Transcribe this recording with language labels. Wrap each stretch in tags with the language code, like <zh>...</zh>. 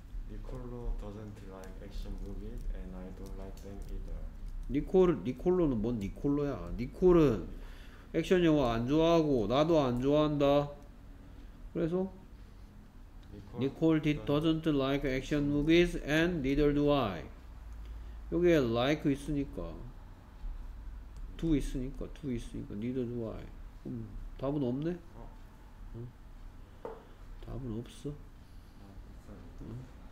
<en>Nicolo doesn't like action movies and I don't like them either.</en> <ko>니콜로는 뭔 니콜로야. 니콜은 액션 영화 안 좋아하고 나도 안 좋아한다. 그래서</ko> <en>Nicole doesn't like action movies and neither do I.</en> <ko>여기에 like 있으니까 do 있으니까 do 있으니까</ko> <en>neither do I.</en> <ko>답은 없네. 어. 응? 답은 없어. 응?</ko>